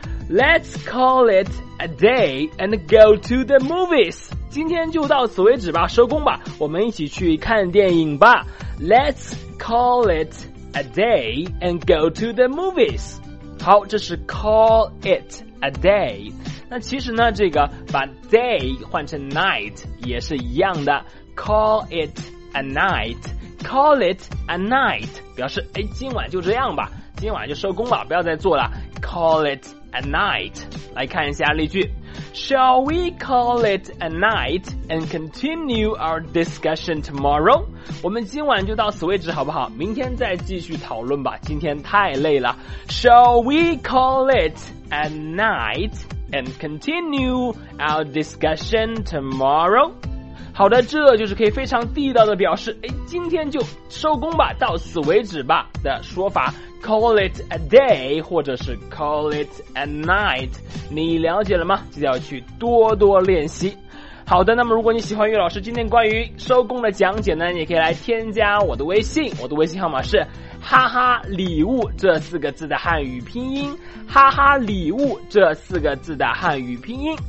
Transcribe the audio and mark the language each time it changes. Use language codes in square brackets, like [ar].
[en] Let's call it a day and go to the movies。 [zh] 今天就到此为止吧，收工吧，我们一起去看电影吧。 [en] Let's call it a day and go to the movies。 [zh] 好，这是 call it a day。那其实呢这个把 day 换成 night 也是一样的， [en] call it a night， [zh] call it a night 表示今晚就这样吧，今晚就收工吧，不要再做了， call it a night。来看一下例句。 [en] Shall we call it a night and continue our discussion tomorrow? [zh] 我们今晚就到此为止好不好？明天再继续讨论吧，今天太累了。 [en] Shall we call it a night and continue our discussion tomorrow? [zh] 好的，这就是可以非常地道的表示今天就收工吧，到此为止吧的说法。 [en] Call it a day [zh] 或者是 [en] call it a night， [zh] 你了解了吗？记得要去多多练习。好的，那么如果你喜欢悠悠老师今天关于收工的讲解呢，你可以来添加我的微信，我的微信号码是哈哈礼物这四个字的汉语拼音，哈哈礼物这四个字的汉语拼音。